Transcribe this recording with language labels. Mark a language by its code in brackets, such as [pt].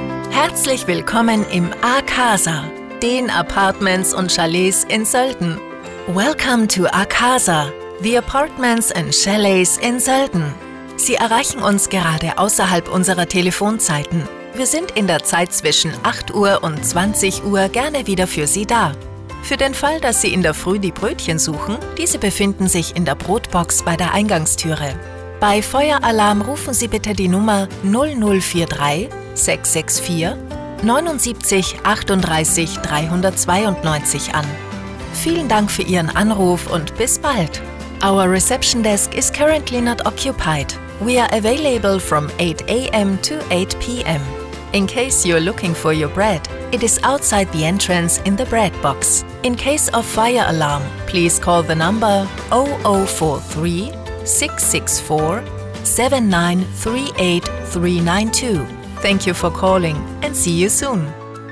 [de] Herzlich willkommen im Akasa, den Apartments und Chalets in Sölden. [en] Welcome to Akasa, the Apartments and Chalets in Sölden. [de] Sie erreichen uns gerade außerhalb unserer Telefonzeiten. Wir sind in der Zeit zwischen 8 Uhr und 20 Uhr gerne wieder für Sie da. Für den Fall, dass Sie in der Früh die Brötchen suchen, diese befinden sich in der Brotbox bei der Eingangstüre. Bei Feueralarm rufen Sie bitte die Nummer 0043 664 79 38 392 an. Vielen Dank für Ihren Anruf und bis bald. [en] Our reception desk is currently not occupied. We are available from 8 a.m. to 8 p.m. In case you're looking for your bread, it is outside the entrance in the bread box. In case of fire alarm, please call the number 0043-664-7938-392. Thank you for calling and see you soon.